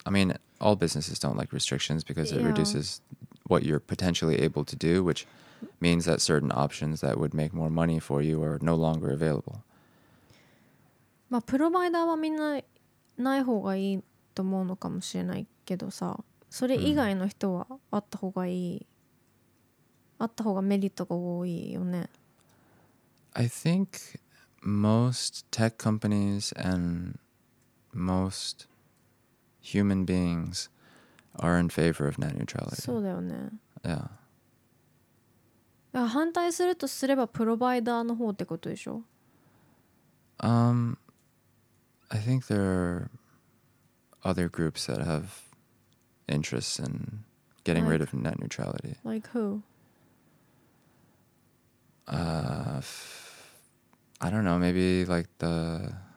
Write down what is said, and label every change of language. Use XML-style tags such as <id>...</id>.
<en>I mean, all businesses don't like restrictions because it reduces what you're potentially able to do, which means that certain options that would make more money for you are no longer available.</en> <ja>まあ、プロバイダーはみんなない方がいいと思うのかもしれないけどさ、それ以外の人はあった方がいい、あった方がメリットが多いよね。</ja> <en>I think most tech companies and most human beings are in favor of net neutrality.</en> <ja>そうだよね。</ja> <en>Yeah.</en> <ja>反対するとすればプロバイダーの方ってことでしょ？</ja> <en>I think there are other groups that have interests in getting rid of net neutrality. Like who? I don't know, maybe like the...</en>